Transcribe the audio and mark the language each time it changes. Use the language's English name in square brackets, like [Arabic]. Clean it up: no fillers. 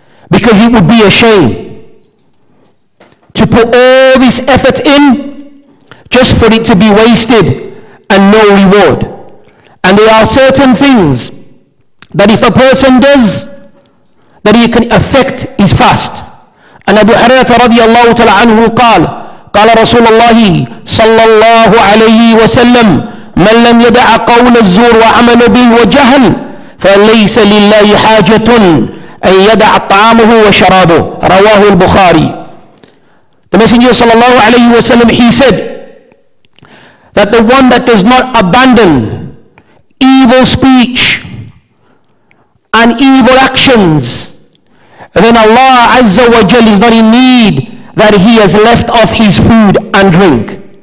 [English] Because it would be a shame to put all this effort in just for it to be wasted and no reward. And there are certain things that if a person does, that it can affect his fast. And Abu Hurairah radiallahu ta'ala anhu [Arabic] قال قال رسول الله صلى الله عليه وسلم من لم يدع قول الزور وعمل به وجهل فليس لله حاجة أن يدع طعامه وشرابه رواه البخاري. [English] The Messenger [Arabic] صلى الله عليه وسلم, [English] he said that the one that does not abandon evil speech and evil actions, then Allah Azza wa Jal is not in need that he has left off his food and drink.